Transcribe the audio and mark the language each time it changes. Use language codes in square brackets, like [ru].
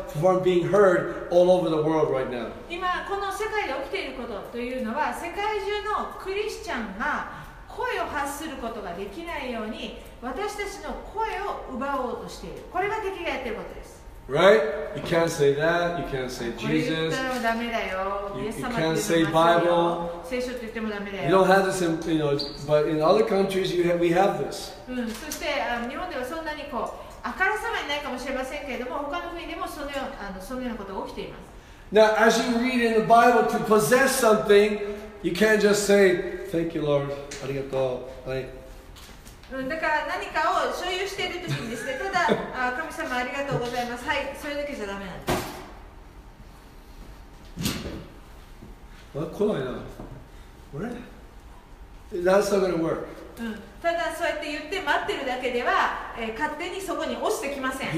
[en] From being heard all over the world right now. [ja] 今この世界で起きていることというのは、世界中のクリスチャンが声を発することができないように私たちの声を奪おうとしている。これが敵がやっていることです。 [en] Right? You can't say that. You can't say Jesus. [ja] これ言ったらダメだよ。 [en] You can't say Bible. [ja] 聖書って言ってもダメだよ。 [en] You don't have this, in, you know. But in other countries, you have, we have this. [ja] うん。そして日本ではそんなにこう。あからさまにないかもしれませんけれども、他の国でもそのようなことが起きています。 [en] Now, as you read in the Bible to possess something, you can't just say, Thank you, Lord. [ja] ありがとう。はい。だから何かを所有しているときにですね、ただ、神様ありがとうございます。はい、それだけじゃダメなんです。来ないな。これ [en] That's not gonna work. [ja] うん、ただそうやって言って待ってるだけでは、勝手にそこに落ちてきません。